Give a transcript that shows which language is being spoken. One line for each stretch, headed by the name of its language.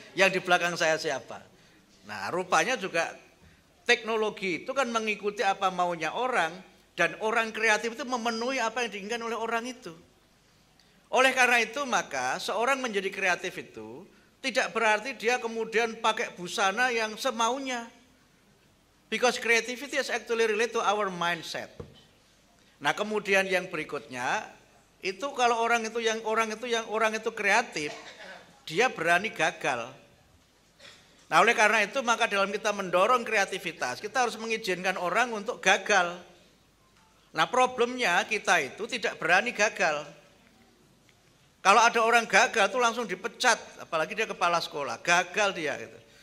Indonesian: Yang di belakang saya siapa. Nah rupanya juga teknologi itu kan mengikuti apa maunya orang. Dan orang kreatif itu memenuhi apa yang diinginkan oleh orang itu. Oleh karena itu maka seorang menjadi kreatif itu tidak berarti dia kemudian pakai busana yang semaunya.
English: Because creativity is actually related to our mindset.
Indonesian: Nah kemudian yang berikutnya itu kalau orang itu kreatif, dia berani gagal. Nah oleh karena itu maka dalam kita mendorong kreativitas, kita harus mengizinkan orang untuk gagal. Nah problemnya kita itu tidak berani gagal. Kalau ada orang gagal itu langsung dipecat, apalagi dia kepala sekolah, gagal dia. Gitu.